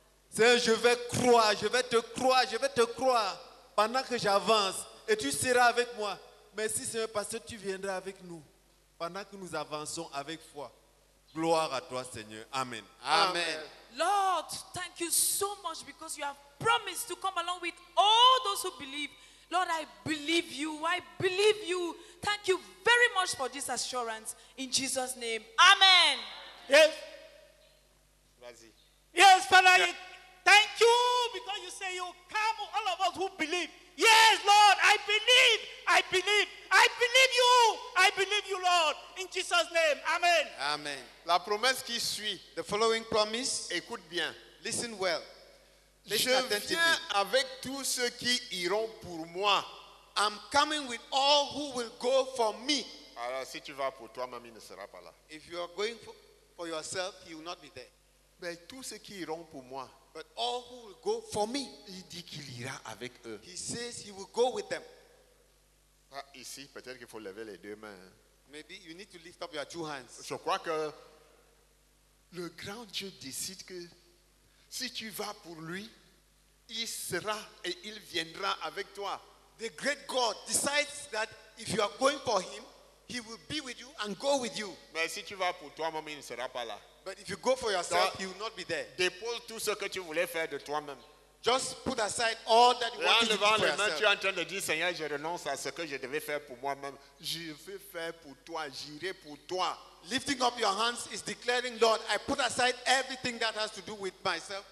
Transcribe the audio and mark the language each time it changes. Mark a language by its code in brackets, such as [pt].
[fr] Seigneur, je vais croire, je vais te croire, je vais te croire pendant que j'avance et tu seras avec moi. Merci Seigneur parce que tu viendras avec nous. Pendant que nous avançons avec foi, gloire à toi, Seigneur. Amen. Amen. [en] Lord, thank you so much because you have promised to come along with all those who believe. Lord, I believe you. I believe you. Thank you very much for this assurance. In Jesus' name, amen. Yes. [fr] Vas-y. [en] Yes, Father, yeah. Thank you because you say you come with all of us who believe. Yes, Lord, I believe. I believe. I believe you. I believe you, Lord. In Jesus' name. Amen. Amen. [fr] La promesse qui suit. [en] The following promise. [fr] Écoute bien. [en] Listen well. Listen [fr] je viens avec tous ceux qui iront pour moi. [en] I'm coming with all who will go for me. [fr] Alors, si tu vas pour toi, mamie ne sera pas là. [en] If you are going for yourself, he will not be there. [fr] Mais tous ceux qui iront pour moi. [en] But all who will go for me. [fr] Il dit qu'il ira avec eux. [en] He says he will go with them. [fr] Ah, ici, peut-être qu'il faut lever les deux mains. [en] Maybe you need to lift up your two hands. [fr] Je crois que le grand Dieu décide que si tu vas pour lui, il sera et il viendra avec toi. [en] The great God decides that if you are going for him, he will be with you and go with you. [fr] Mais si tu vas pour toi, maman, il ne sera pas là. [en] But if you go for yourself, he will not be there. [fr] Dépose tout ce que tu voulais faire de toi-même. [en] Just put aside all that you wanted to do for yourself. [fr] Tu es en train de dire, Seigneur, je renonce à ce que je devais faire pour moi-même. Je vais faire pour toi, j'irai pour toi. [en] Lifting up your hands is declaring, Lord, I put aside everything that has to do with myself.